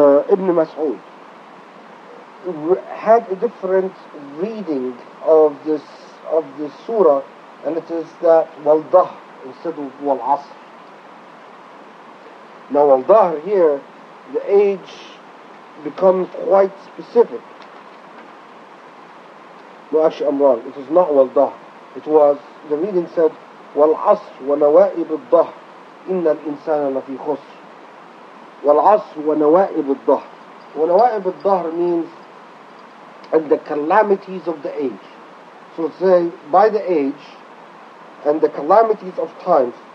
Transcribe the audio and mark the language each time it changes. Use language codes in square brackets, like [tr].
[en] Ibn Mas'ud had a different reading of this surah, and it is that Wal-Dahr instead of Wal-Asr. Now Wal-Dahr here, the age becomes quite specific. No, actually, I'm wrong. It is not Wal-Dahr. It was, the reading said, [ar] والعصر ونوائب الظهر إن الإنسان لفي خسر والعصر ونوائب الظهر ونوائب الظهر [en] means and the calamities of the age. So say by the age and the calamities of time.